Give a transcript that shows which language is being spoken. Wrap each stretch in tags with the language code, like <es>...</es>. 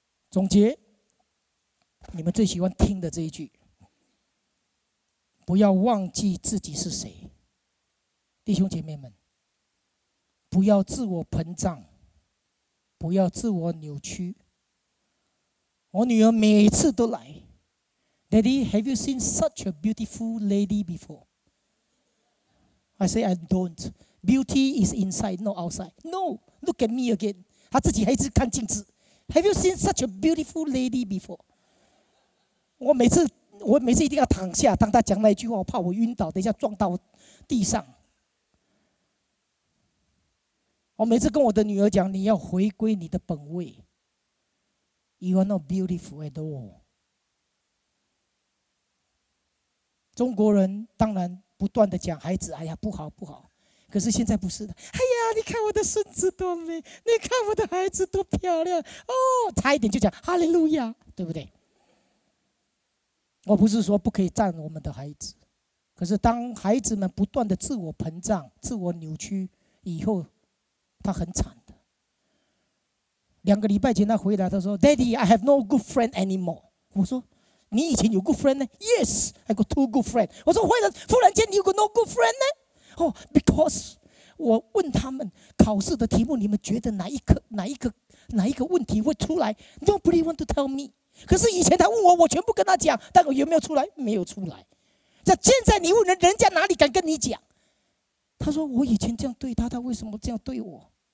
<zh>总结，你们最喜欢听的这一句：不要忘记自己是谁。弟兄姐妹们，不要自我膨胀，不要自我扭曲。我女儿每次都来，</zh> <en>Daddy, have you seen such a beautiful lady before? I say, I don't. Beauty is inside, not outside. No, look at me again.</en> <zh>他自己还是看镜子。</zh> <en>Have you seen such a beautiful lady before?</en> <zh>我每次一定要躺下，当他讲那一句话，我怕我晕倒，等一下撞到地上。我每次跟我的女儿讲，你要回归你的本位。</zh> <en>You are not beautiful at all.</en> <zh>中国人当然不断的讲孩子，哎呀不好不好。可是现在不是的，哎呀，你看我的孙子多美，你看我的孩子多漂亮哦，差一点就讲哈利路亚，对不对？我不是说不可以赞我们的孩子，可是当孩子们不断的自我膨胀、自我扭曲以后，他很惨的。两个礼拜前他回来，他说 ：</zh> <en>“Daddy, I have no good friend anymore。”</en> <zh>我说：“你以前有 good friend 呢 ？”</zh> <en>“Yes, I got two good friends。”</en> <zh>我说：“为什么忽然间你有个 no good friend 呢？” 哦 ，because 我问他们考试的题目，你们觉得哪一个问题会出来 ？</zh> <en>Nobody want to tell me。</en> <zh>可是以前他问我，我全部跟他讲，但我有没有出来？没有出来。那现在你问人家哪里敢跟你讲？他说我以前这样对他，他为什么这样对我？</zh>